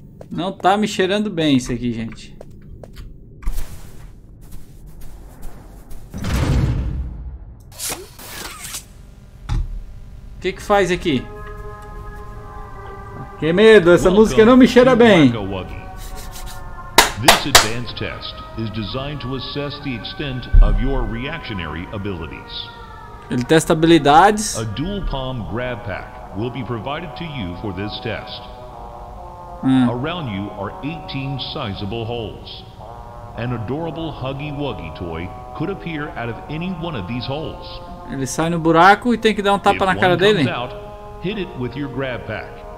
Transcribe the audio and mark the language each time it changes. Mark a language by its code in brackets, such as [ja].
[pt] Não tá me cheirando bem isso aqui, gente. O que que faz aqui? Que medo, essa música não me cheira bem. [en] This advanced test is designed to assess the extent of your reactionary abilities. [pt] Ele testa habilidades. [en] A dual palm grab pack will be provided to you for this test. Around you are 18 sizable holes. An adorable Huggy Wuggy toy could appear out of any one of these holes. [pt] Ele sai no buraco e tem que dar um tapa na cara dele. [en] Out, hit it with your grab pack.